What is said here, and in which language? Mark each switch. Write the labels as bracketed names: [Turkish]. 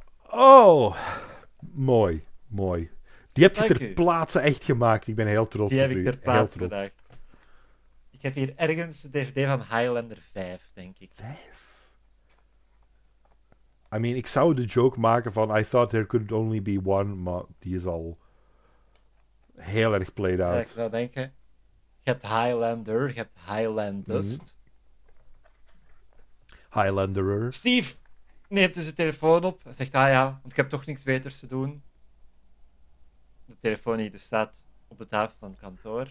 [Dutch] Oh, mooi, mooi. Die heb je ter plaatse echt gemaakt. Ik ben heel trots op u. Die heb ik ter plaatse gedaan. Ik heb hier ergens de DVD van Highlander 5, denk ik. 5? [English] I mean, [Dutch] ik zou de joke maken van [English] I thought there could only be one, [Dutch] maar die is al heel erg played out. Ja, ik zou denken, je hebt Highlander, je hebt Highlandust. Mm-hmm. Highlanderer. Steve neemt dus de telefoon op en zegt, ah ja, want ik heb toch niks beters te doen. De telefoon die dus staat op de tafel van het kantoor.